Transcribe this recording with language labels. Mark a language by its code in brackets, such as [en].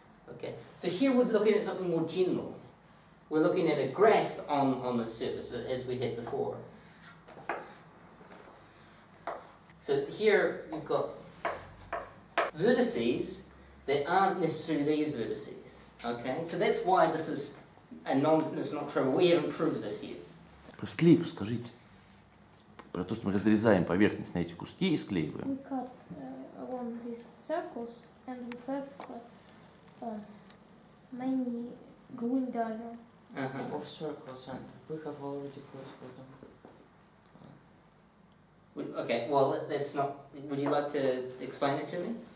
[en] Okay, so here we're looking at something more general. We're looking at a graph on the surface, as we had before. So here we've got vertices that aren't necessarily these vertices. Okay, so that's why this is it's not true. We haven't proved this yet. [ru] Про склейку скажите. Про то, что мы разрезаем поверхность на эти куски и склеиваем. [en] We cut along these circles and we have many gluing diagram. Uh-huh. Of circles and we have already proved for them. Okay, well that's not. Would you like to explain it to me?